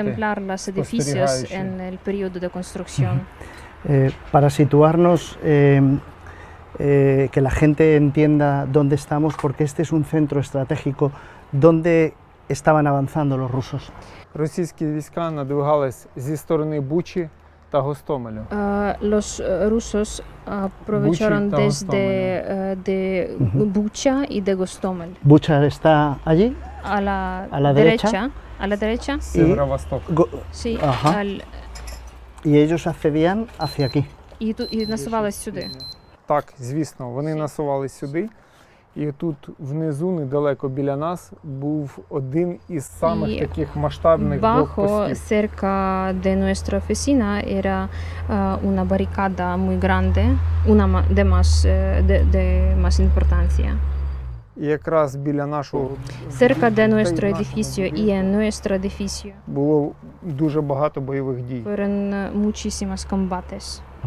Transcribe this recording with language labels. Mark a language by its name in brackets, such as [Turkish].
[Spanish] Contemplar los edificios en el periodo de construcción. Para situarnos que la gente entienda dónde estamos, porque este es un centro estratégico donde estaban avanzando los rusos. [Ukrainian] Російські війська надвигались зі сторони Бучі та Гостомелю. [Spanish] Los rusos aprovecharon desde de Bucha y de Gostomel. Bucha está allí a la derecha. [Russian] Северо-восток. [Spanish] Sí, y ellos accedían hacia aquí. [Ukrainian] Y насувались сюди. Так, звісно, вони насувалися сюди, і тут внизу, недалеко біля нас, був один із самих таких масштабних двох постів. [Spanish] Bajo cerca de nuestra oficina era una barricada muy grande, una de más de más importancia. [Ukrainian] І якраз біля нашого [Spanish] cerca de nuestro edificio y en nuestro edificio [Ukrainian] було дуже багато бойових дій. [Spanish] Fueron muchísimos combates.